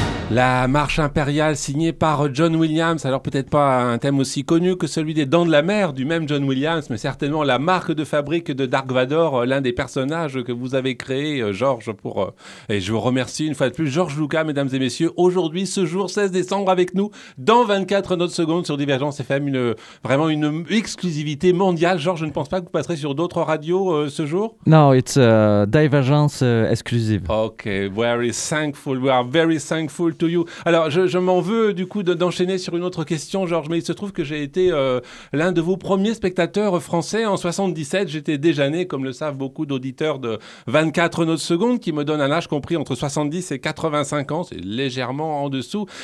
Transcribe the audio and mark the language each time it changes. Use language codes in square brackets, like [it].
[fr] La marche impériale signée par John Williams, alors peut-être pas un thème aussi connu que celui des Dents de la Mer du même John Williams, mais certainement la marque de fabrique de Dark Vador, l'un des personnages que vous avez créé, Georges, pour... Et je vous remercie une fois de plus, Georges Lucas, mesdames et messieurs, aujourd'hui, ce jour 16 décembre avec nous, dans 24 notes secondes sur Divergence FM, vraiment une exclusivité mondiale. Georges, je ne pense pas que vous passerez sur d'autres radios ce jour. [en] Non, it's Divergence exclusive. Ok, very thankful, we are very thankful to you. [fr] Alors, je m'en veux du coup d'enchaîner sur une autre question, Georges, mais il se trouve que j'ai été l'un de vos premiers spectateurs français en 77. J'étais déjà né, comme le savent beaucoup d'auditeurs de 24 notes secondes, qui me donnent un âge compris entre 70 et 85 ans, c'est légèrement en dessous.